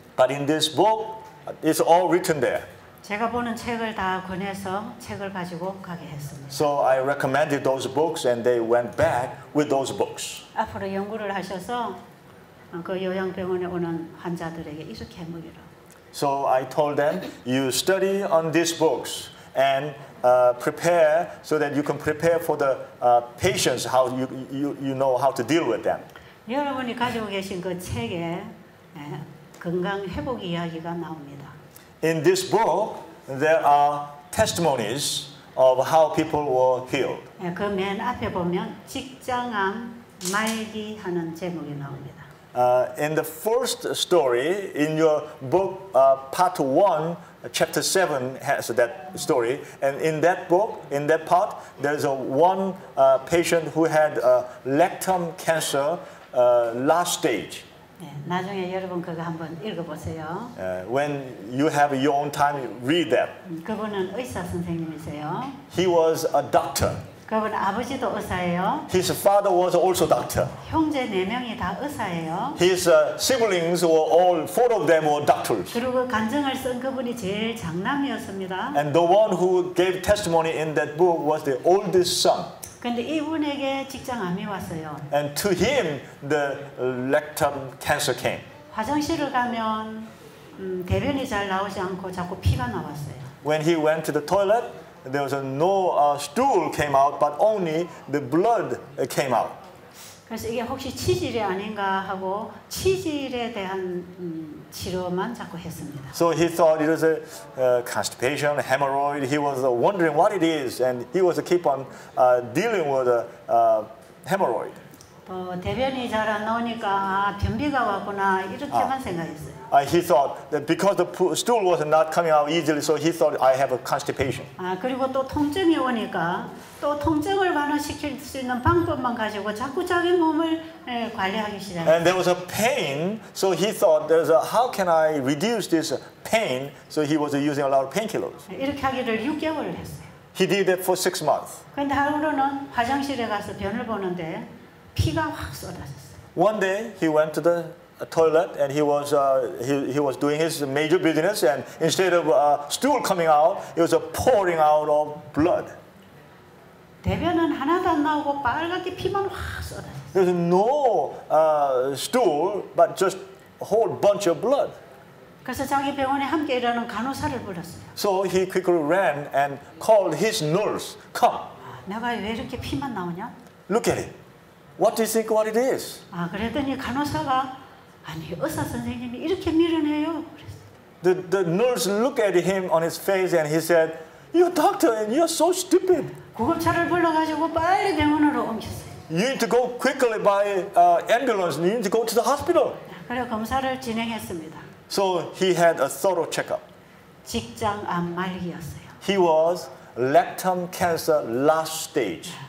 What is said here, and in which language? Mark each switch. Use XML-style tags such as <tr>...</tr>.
<en>But in this book, it's all written there.</en> <ko>제가 보는 책을 다 권해서 책을 가지고 가게 했습니다.</ko> <en>So I recommended those books and they went back with those books.</en> <ko>앞으로 연구를 하셔서 그 요양병원에 오는 환자들에게 이렇게 해보기로.</ko> <en>So I told them, you study on these books and prepare so that you can prepare for the patients how you know how to deal with them.</en> <ko>여러분이 가지고 계신 그 책에 건강 회복 이야기가 나옵니다.</ko> <en>In this book, there are testimonies of how people were healed.</en> <ko>그 맨 앞에 보면 직장암 말기 하는 제목이 나옵니다.</ko> <en>In the first story in your book, part 1, chapter 7 has that story. And in that book, in that part, there's a one patient who had rectal cancer, last stage.</en> <ko>네, 나중에 여러분 그거 한번 읽어보세요.</ko> <en>When you have your own time, read that.</en> <ko>그분은 의사 선생님이세요.</ko> <en>He was a doctor.</en> <ko>그분 아버지도 의사예요.</ko> <en>His father was also a doctor.</en> <ko>형제 네 명이 다 의사예요.</ko> <en>His siblings were all, four of them were doctors.</en> <ko>그리고 간증을 쓴 그분이 제일 장남이었습니다.</ko> <en>And the one who gave testimony in that book was the oldest son.</en> <ko>근데 이분에게 직장암이 왔어요.</ko> <en>And to him, the rectal cancer came.</en> <ko>화장실을 가면 대변이 잘 나오지 않고 자꾸 피가 나왔어요.</ko> <en>When he went to the toilet, there was no stool came out, but only the blood came out.</en> <ko>그래서 이게 혹시 치질이 아닌가 하고 치질에 대한 치료만 자꾸 했습니다.</ko> <en>So he thought it was a constipation, hemorrhoid. He was wondering what it is, and he was keep on dealing with a hemorrhoid.</en> <ko>또 대변이 잘 안 나오니까 변비가 왔구나 이렇게만 생각했어요.</ko> <en>He thought that because the stool was not coming out easily, so he thought I have a constipation.</en> <ko>그리고 또 통증이 오니까. 또 통증을 완화시킬 수 있는 방법만 가지고 자꾸 자기 몸을 관리하기 시작했어요.</ko> <en>And there was a pain, so he thought, there's a, how can I reduce this pain? So he was using a lot of painkillers.</en> <ko>이렇게 하기를 6개월을 했어요.</ko> <en>He did that for 6 months.</en> <ko>그런데 하루는 화장실에 가서 변을 보는데 피가 확 쏟아졌어요.</ko> <en>One day he went to the toilet and he was doing his major business and instead of stool coming out, it was pouring out of blood.</en> <ko>대변은 하나도 안 나오고 빨갛게 피만 확 쏟아졌어요.</ko> <en>There's no stool, but just a whole bunch of blood.</en> <ko>그래서 자기 병원에 함께 일하는 간호사를 불렀어요.</ko> <en>So he quickly ran and called his nurse, come.</en> <ko>내가 왜 이렇게 피만 나오냐?</ko> <en>Look at it. What do you think what it is?</en> <ko>그랬더니 간호사가, 아니, 의사 선생님이 이렇게 미련해요.</ko> <en>the nurse looked at him on his face and he said, "You're a doctor and you're so stupid."</en> <ko>구급차를 불러가지고 빨리 병원으로 옮겼어요.</ko> <en>You need to go quickly by ambulance. You need to go to the hospital.</en> <ko>그래 검사를 진행했습니다.</ko> <en>So he had a thorough checkup.</en> <ko>직장암 말기였어요.</ko> <en>He was rectal cancer last stage.</en>